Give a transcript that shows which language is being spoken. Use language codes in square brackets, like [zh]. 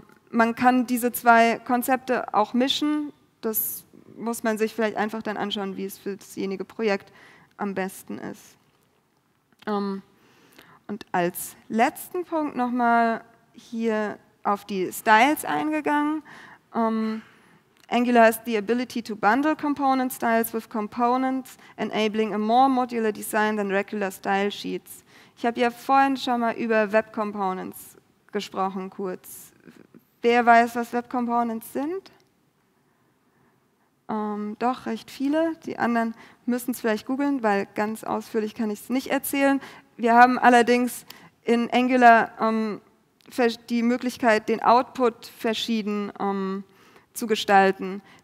[de] Man kann diese zwei Konzepte auch mischen, das muss man sich vielleicht einfach dann anschauen, wie es für dasjenige Projekt am besten ist. Und als letzten Punkt nochmal hier auf die Styles eingegangen. [en] Angular has the ability to bundle component styles with components, enabling a more modular design than regular style sheets. [de] Ich habe ja vorhin schon mal über Web Components gesprochen, kurz. Wer weiß, was Web Components sind? Doch, recht viele. Die anderen müssen es vielleicht googeln, weil ganz ausführlich kann ich es nicht erzählen. Wir haben allerdings in Angular die Möglichkeit, den Output verschieden zu gestalten.